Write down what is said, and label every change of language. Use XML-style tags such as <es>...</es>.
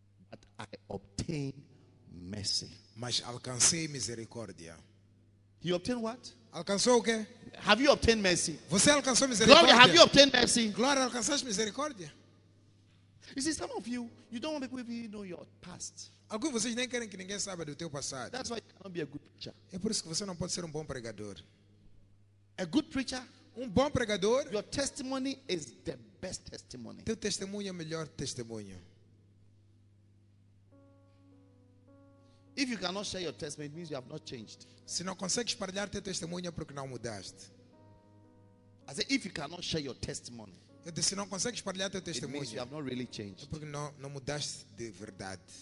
<en>But I obtained mercy.</en> <pt>Mas alcancei misericórdia.</pt> <en>You obtained what?</en> <pt>Alcançou o quê?</pt> <en>Have you obtained mercy?</en> <pt>Você alcançou misericórdia?</pt> <en>Glória, have you obtained mercy?</en> <pt>Glória, alcançaste misericórdia?</pt> <en>You see, some of you, you don't want people to know your past.</en> <pt>Alguns de vocês nem querem que ninguém saiba do teu passado.</pt> <en>That's why you cannot be a good preacher.</en> <pt>É por isso que você não pode ser um bom pregador.</pt> <en>A good preacher,</en> <pt>bom pregador.</pt> <en>Your testimony is the best testimony.</en> <pt>Teu testemunho é o melhor testemunho.</pt> <en>If you cannot share your testimony, it means you have not changed.</en> <pt>Se não consegues partilhar teu testemunho, é porque não mudaste.</pt> <en>As if you cannot share your testimony.</en> <pt>Eu disse, se não consegues partilhar teu testemunho,</pt> <en>it means you have not really changed.</en> <pt>É porque não mudaste de verdade.</pt>